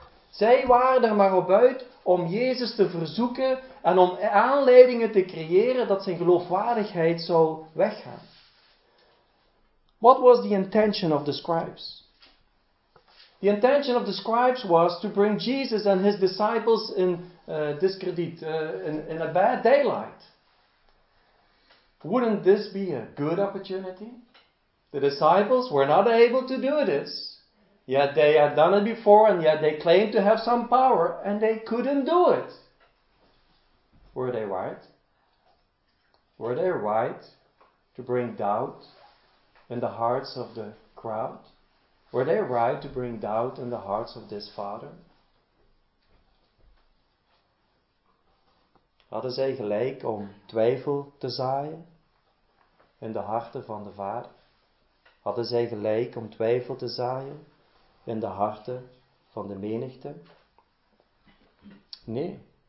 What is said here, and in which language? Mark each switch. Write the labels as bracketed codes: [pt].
[nl] Zij waren er maar op uit om Jezus te verzoeken en om aanleidingen te creëren dat zijn geloofwaardigheid zou weggaan. [en] What was the intention of the scribes? The intention of the scribes was to bring Jesus and his disciples in discredit, in a bad daylight. Wouldn't this be a good opportunity? The disciples were not able to do this. Yet they had done it before and yet they claimed to have some power and they couldn't do it. Were they right? Were they right to bring doubt in the hearts of the crowd? Were they right to bring doubt in the hearts of this father? [nl] Hadden zij gelijk om twijfel te zaaien in de harten van de vader? Hadden zij gelijk om twijfel te zaaien in de harten van de menigte? Nee.